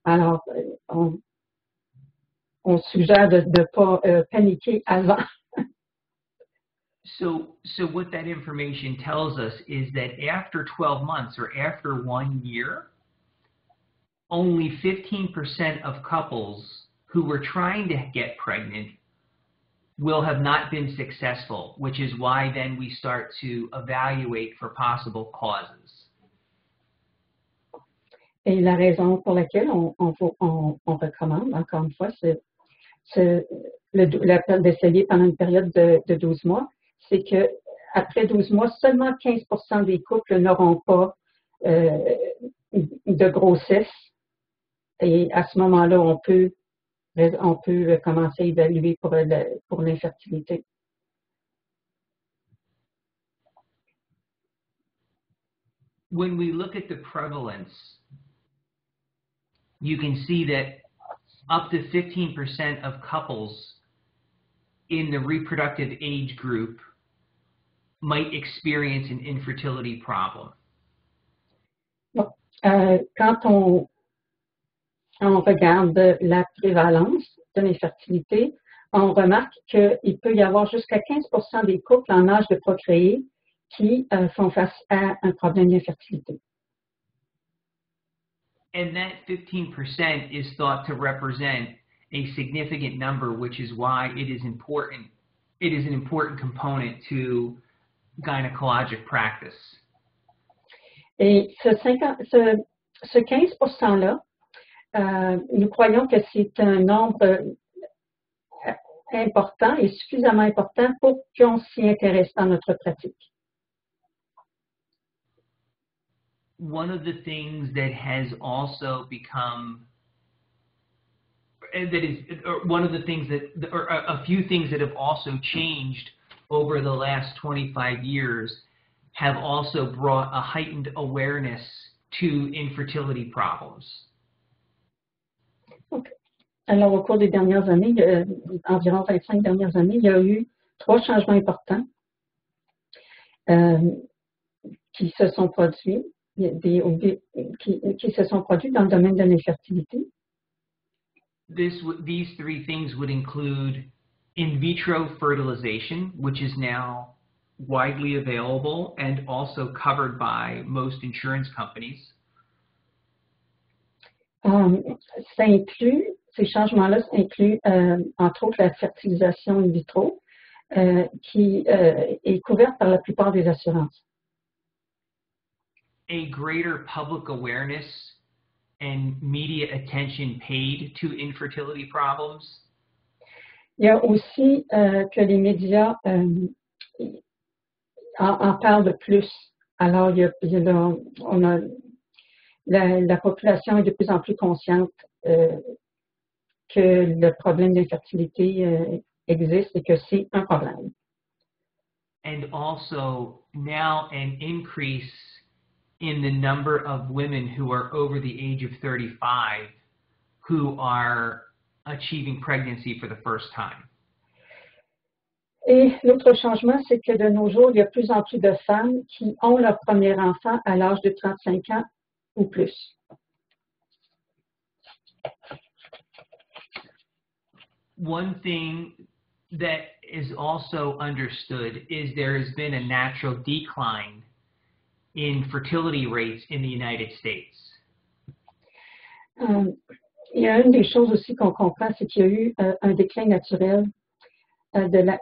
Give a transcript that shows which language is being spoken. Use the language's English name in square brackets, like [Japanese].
[French] Alors, on suggère de ne pas paniquer avant. [English] So what that information tells us is that after 12 months or after 1 year, only 15% of couples who were trying to get pregnant will have not been successful, which is why then we start to evaluate for possible causes. [French] Et la raison pour laquelle on recommande, encore une fois, l'appel d'essayer pendant une période de 12 mois, c'est que après 12 mois, seulement 15% des couples n'auront pas de grossesse. Et à ce moment-là, on peut commencer à évaluer pour l'infertilité. [English] When we look at the prevalence, you can see that up to 15% of couples in the reproductive age group might experience an infertility problem. [French] Quand on regarde la prévalence de l'infertilité, on remarque qu'il peut y avoir jusqu'à 15% des couples en âge de procréer qui font face à un problème d'infertilité. [English] And that 15% is thought to represent a significant number, which is why it is important. It is an important component to gynecologic practice. [French] Et ce 15%-là, nous croyons que c'est un nombre important et suffisamment important pour qu'on s'y intéresse dans notre pratique. [English] One of the things that has also become, that is, or one of the things that, or a few things that have also changed over the last 25 years have also brought a heightened awareness to infertility problems. Okay. [French] Alors, au cours des dernières années, environ 25 dernières années, il y a eu trois changements importants qui se sont produits, qui se sont produits dans le domaine de l'infertilité. [English] These three things would include in vitro fertilization, which is now widely available and also covered by most insurance companies. [French] Ça inclut, ces changements-là incluent entre autres la fertilisation in vitro, qui est couverte par la plupart des assurances. [English] A greater public awareness and media attention paid to infertility problems. [French] Il y a aussi que les médias en parlent de plus. Alors, la population est de plus en plus consciente que le problème d'infertilité existe et que c'est un problème. [English] And also, now an increase in the number of women who are over the age of 35 who are achieving pregnancy for the first time. [French] Et l'autre changement, c'est que de nos jours, il y a plus en plus de femmes qui ont leur premier enfant à l'âge de 35 ans ou plus. [English] One thing that is also understood is there has been a natural decline in fertility rates in the United States. [French] Il y a une des choses aussi qu'on comprend, c'est qu'il y a eu un déclin naturel de la.